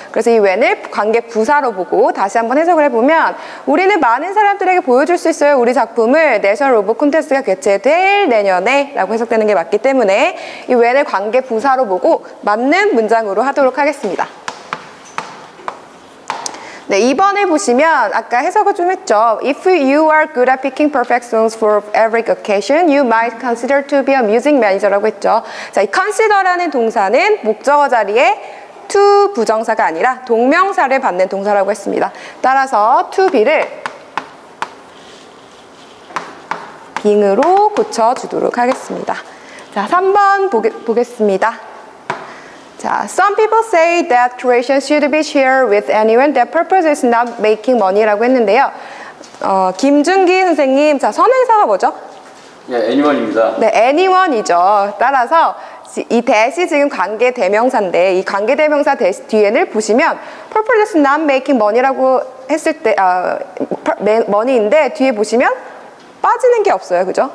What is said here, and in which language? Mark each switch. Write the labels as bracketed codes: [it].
[ko] 그래서 이 when을 관계 부사로 보고 다시 한번 해석을 해보면 우리는 많은 사람들에게 보여줄 수 있어요. 우리 작품을 National Robot Contest가 개최될 내년에 라고 해석되는 게 맞기 때문에 이 when을 관계 부사로 보고 맞는 문장으로 하도록 하겠습니다. 네, 2번에 보시면 아까 해석을 좀 했죠. [en] If you are good at picking perfect songs for every occasion, you might consider to be a music manager [ko] 라고 했죠. 자, 이 consider라는 동사는 목적어 자리에 to 부정사가 아니라 동명사를 받는 동사라고 했습니다. 따라서 to be를 being으로 고쳐주도록 하겠습니다. 자, 3번 보겠습니다. [en] 자, some people say that creation should be shared with anyone. That purpose is not making money [ko] 라고 했는데요. 김준기 선생님, 자, 선행사가 뭐죠? 네, anyone입니다. 네, anyone이죠. 따라서 이 that이 지금 관계 대명사인데 이 관계 대명사 that 뒤에를 보시면 purpose is not making money라고 했을 때 money인데 뒤에 보시면 빠지는 게 없어요, 그죠?